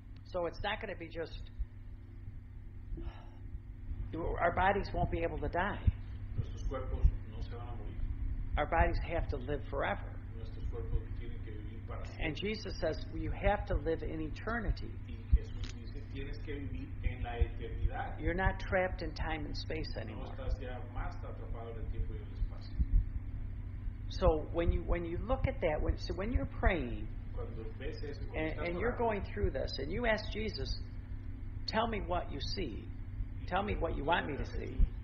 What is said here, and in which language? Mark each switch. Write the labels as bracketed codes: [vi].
[en] So it's not going to be just our bodies won't be able to die. [es] Nuestros cuerpos no se van a morir. [en] Our bodies have to live forever. [es] Nuestros cuerpos tienen que vivir para siempre. [en] And Jesus says you have to live in eternity. [es] Tienes que vivir en la eternidad. [en] You're not trapped in time and space anymore. [es] No estás ya más atrapado en el tiempo y el espacio. [en] So when you look at that, when you're praying, [es] cuando ves eso, [en] and you're going through this, and you ask Jesus, tell me what you see, tell me what you want me to see,